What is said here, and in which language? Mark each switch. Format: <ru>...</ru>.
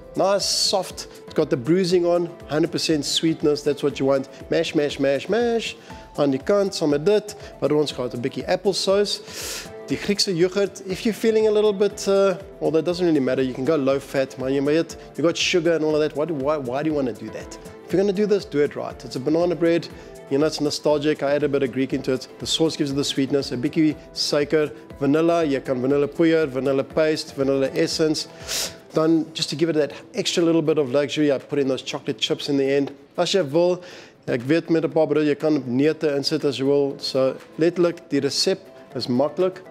<en>Nice, soft, it's got the bruising on, 100% sweetness, that's what you want. Mash, mash, mash, mash.</en> <af>Aan die kant, saam met dit. Wat ons gehad, 'n bietjie applesauce.</af> <en>Die Griekse yoghurt, if you're feeling a little bit, well, that doesn't really matter, you can go low fat,</en> <af>maar jy weet,</af> <en>you got sugar and all of that, why do you want to do that? If you're going to do this, do it right. It's a banana bread, you know, it's nostalgic, I add a bit of Greek into it. The sauce gives it the sweetness, a</en> <af>bietjie suiker,</af> <en>vanilla,</en> <af>jy kan vanilla poeier,</af> <en>vanilla paste, vanilla essence. Dan, just to give it that extra little bit of luxury, I put in those chocolate chips in the end.</en> <af>As jy wil, ek weet met 'n paar brood, jy kan neute insit as jy wil. So, letterlik, die resep is makkelijk.</af>